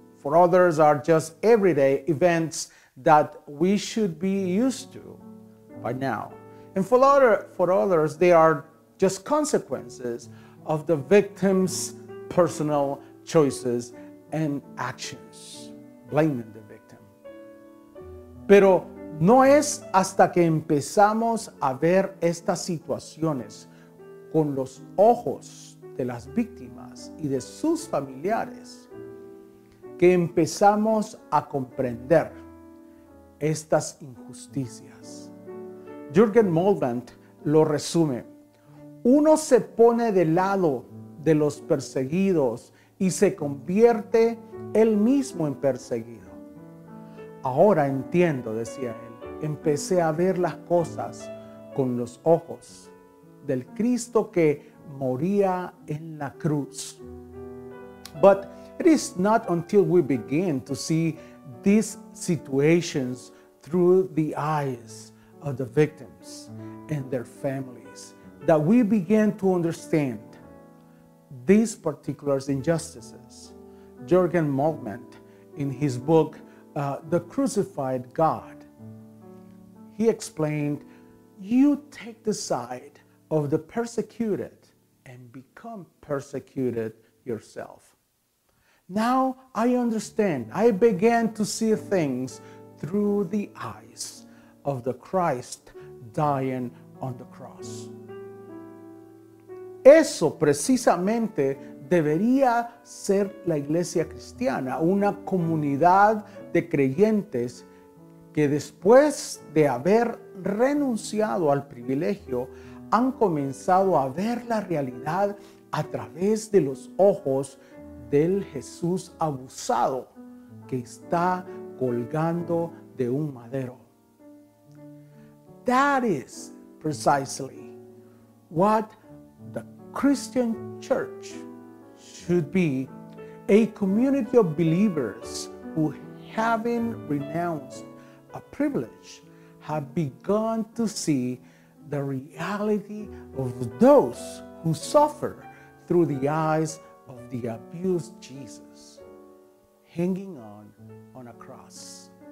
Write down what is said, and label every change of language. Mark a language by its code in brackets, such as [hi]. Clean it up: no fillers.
[en] For others, are just everyday events that we should be used to by now. And for others, they are just consequences of the victim's personal choices and actions, blaming the victim. [es] Pero no es hasta que empezamos a ver estas situaciones con los ojos de las víctimas y de sus familiares que empezamos a comprender estas injusticias. Jürgen Moltmann lo resume. Uno se pone del lado de los perseguidos y se convierte él mismo en perseguido. Ahora entiendo, decía él, empecé a ver las cosas con los ojos del Cristo que moría en la cruz. [en] But it is not until we begin to see these situations through the eyes of the victims and their families that we begin to understand these particular injustices. Jürgen Moltmann, in his book, The Crucified God, he explained, you take the side of the persecuted and become persecuted yourself. Now I understand, I began to see things through the eyes of the Christ dying on the cross. [es] Eso precisamente debería ser la iglesia cristiana, una comunidad de creyentes que después de haber renunciado al privilegio, han comenzado a ver la realidad a través de los ojos del Jesús abusado que está colgando de un madero. [en] That is precisely what the Christian church should be, a community of believers who, having renounced a privilege, have begun to see the reality of those who suffer through the eyes of the abused Jesus hanging on a cross.